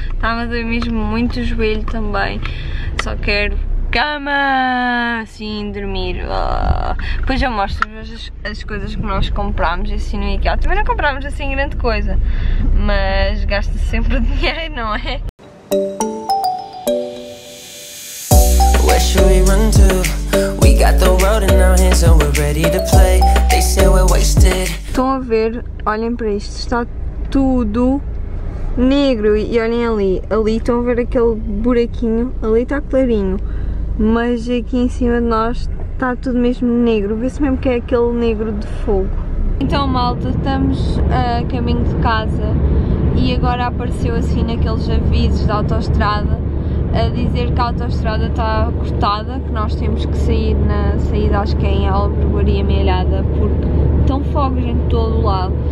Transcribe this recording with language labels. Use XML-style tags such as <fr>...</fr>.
<pt>Estava a doer mesmo muito o joelho também. Só quero cama, assim, dormir. Depois eu mostro-vos as coisas que nós comprámos assim no IKEA. Também não comprámos assim grande coisa, mas gasta-se sempre dinheiro, não é?</pt> <en>Where should we run to? We got the world in our hands and we're ready to play. They say we're wasted.</en> <pt>Estão a ver, olhem para isto, está tudo negro e olhem ali, ali estão a ver aquele buraquinho, ali está clarinho. Mas aqui em cima de nós está tudo mesmo negro. Vê-se mesmo que é aquele negro de fogo. Então, malta, estamos a caminho de casa e agora apareceu assim naqueles avisos da autoestrada a dizer que a autoestrada está cortada, que nós temos que sair na saída, acho que é em Albergaria Melhada, porque estão fogos em todo o lado.</pt>